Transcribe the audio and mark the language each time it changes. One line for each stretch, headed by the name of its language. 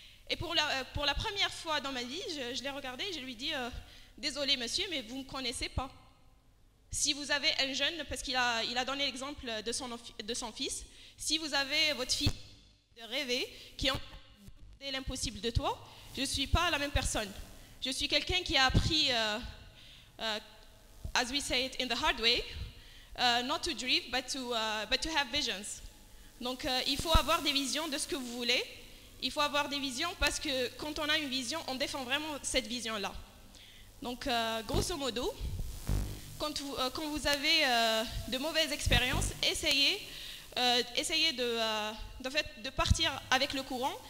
French: Et pour la première fois dans ma vie, je l'ai regardé et je lui ai dit « Désolé monsieur, mais vous ne me connaissez pas. Si vous avez un jeune, parce qu'il a donné l'exemple de son fils, si vous avez votre fille de rêver, qui a demandé l'impossible de toi, je ne suis pas la même personne. Je suis quelqu'un qui a appris...
English: as we say it in the hard way, not to dream, but to have visions.
French: Donc, il faut avoir des visions de ce que vous voulez. Il faut avoir des visions parce que quand on a une vision, on défend vraiment cette vision-là. Donc, grosso modo, quand vous avez de mauvaises expériences, essayez de partir avec le courant.